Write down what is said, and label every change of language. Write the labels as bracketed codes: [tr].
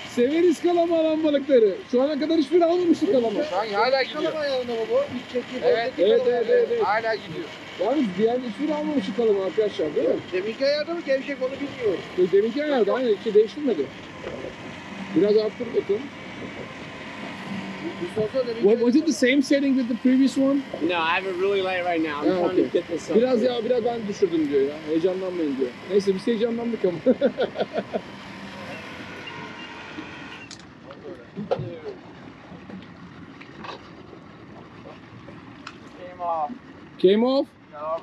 [tr] Severiz kalama alan balıkları. Şu ana kadar hiçbir almamıştık kalama. Şu an hala gidiyor. Kalama ayağında mı bu? İlk çekti. Evet. Hala gidiyor. Yalnız diğer hiçbir almamıştık kalama arkadaşlar, değil mi? Deminki ayarda mı? Gevşek onu bilmiyorum. Deminki ayarda, aynen hiç değiştirmedi. Biraz arttır bakalım. [en] Was it the same setting as the previous one? No, I have it really light right now. I'm trying to get this up. [tr] Biraz ya, biraz ben düşürdüm diyor ya. Heyecanlanmayın diyor. Neyse, biz heyecanlandık ama. [en] Came off? No,